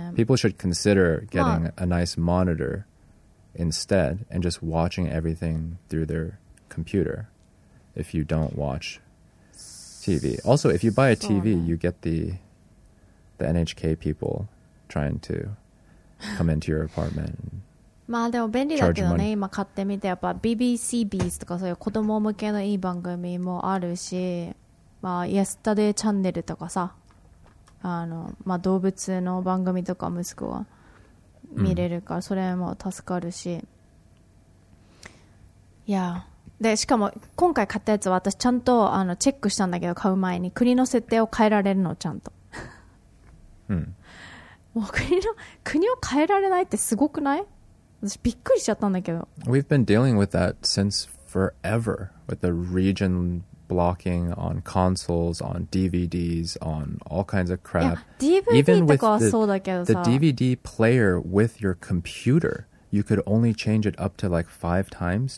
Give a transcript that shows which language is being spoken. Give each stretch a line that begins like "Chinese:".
English: people should consider getting a nice monitor instead and just watching everything through their computer if you don't watch TV. Also, if you buy a TV, you get the NHK people trying to come into your apartment.
Japanese: まあでも便利だけどね、今買ってみて、やっぱ BBC Beast とかそういう子供向けのいい番組もあるし、まあ Yesterday チャンネルとかさ、あの、まあ動物の番組とか息子は見れるから、それも助かるし。いや、で、しかも今回買ったやつは私ちゃんとあのチェックしたんだけど、買う前に国の設定を変えられるの、ちゃんと。うん。もう国を変えられないってすごくない？私びっくりしちゃったんだけど。
English: We've been dealing with that since forever, with the region blocking on consoles, on DVDs, on all kinds of crap.
Japanese: DVD とかはそうだけどさ。
English: The DVD player with your computer, you could only change it up to like 5 times.